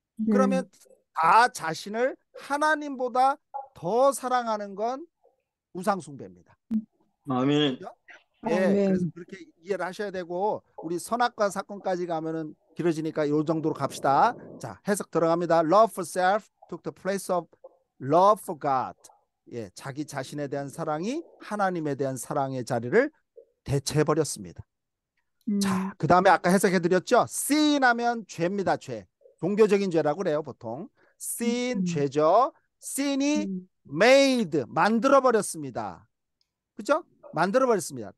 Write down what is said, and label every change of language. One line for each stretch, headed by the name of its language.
Korean: 그러면 나 자신을 하나님보다 더 사랑하는 건 우상숭배입니다. 아멘. 예, 그래서 그렇게 이해를 하셔야 되고 우리 선악과 사건까지 가면은 길어지니까 이 정도로 갑시다. 자, 해석 들어갑니다.
English: Love for self took the place of love for God.
Korean: 예, 자기 자신에 대한 사랑이 하나님에 대한 사랑의 자리를 대체해버렸습니다. 자, 그 다음에 아까 해석해드렸죠? Sin 하면 죄입니다, 죄. 종교적인 죄라고 그래요, 보통. Sin, 죄죠. Sin이 made, 만들어버렸습니다. 그죠? 만들어버렸습니다.